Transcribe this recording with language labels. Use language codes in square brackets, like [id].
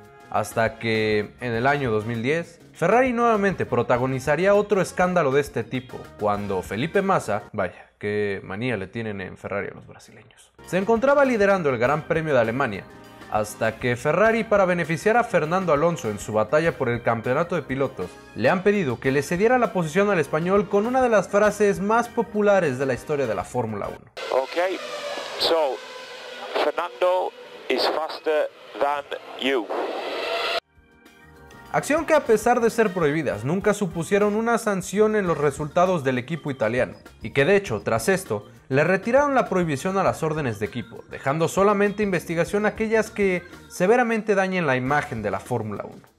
[es] Hasta que, en el año 2010, Ferrari nuevamente protagonizaría otro escándalo de este tipo, cuando Felipe Massa, vaya, qué manía le tienen en Ferrari a los brasileños, se encontraba liderando el Gran Premio de Alemania, hasta que Ferrari, para beneficiar a Fernando Alonso en su batalla por el campeonato de pilotos, le han pedido que le cediera la posición al español con una de las frases más populares de la historia de la Fórmula 1. [en] Ok, so, Fernando is faster than you. [es] Acción que a pesar de ser prohibidas, nunca supusieron una sanción en los resultados del equipo italiano. Y que de hecho, tras esto, le retiraron la prohibición a las órdenes de equipo, dejando solamente investigación aquellas que severamente dañen la imagen de la Fórmula 1.